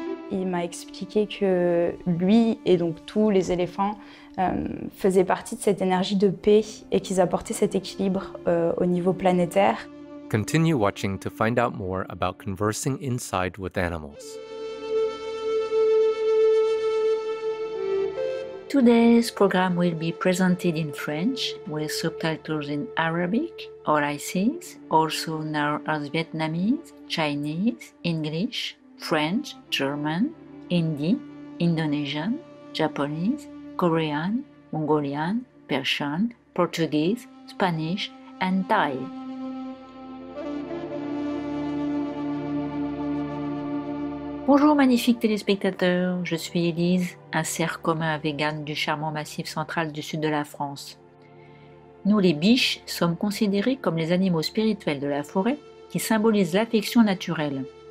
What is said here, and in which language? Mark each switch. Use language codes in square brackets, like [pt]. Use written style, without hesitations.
[fr] Il m'a expliqué que lui et donc tous les éléphants faisaient partie de cette énergie de paix et qu'ils apportaient cet équilibre au niveau planétaire. [en] Continue watching to find out more about conversing inside with animals. Today's program will be presented in French with subtitles in Arabic, Oraisis, also known as Vietnamese, Chinese, English, French, German, Hindi, Indonesian, Japanese, Korean, Mongolian, Persian, Portuguese, Spanish, and Thai. [fr] Bonjour magnifiques téléspectateurs, je suis Élise, un cerf commun vegan du charmant massif central du sud de la France. Nous les biches sommes considérés comme les animaux spirituels de la forêt qui symbolisent l'affection naturelle.